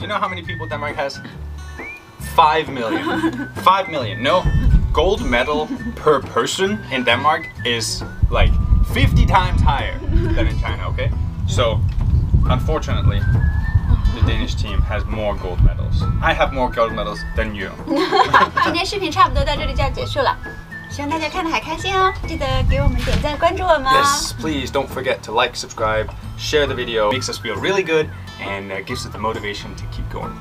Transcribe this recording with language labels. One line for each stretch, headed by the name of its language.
English: You know how many people Denmark has? 5 million. 5 million. No, gold medal per person in Denmark is like 50 times higher than in China. Okay, so unfortunately, the Danish team has more gold medals. I have more gold medals than you.
Chinese: 今天视频差不多到这里就要结束了。希望大家看得还开心哦，记得给我们点赞关注我们哦。
English: Yes, please don't forget to like, subscribe, share the video. Makes us feel really good and gives us the motivation to keep going.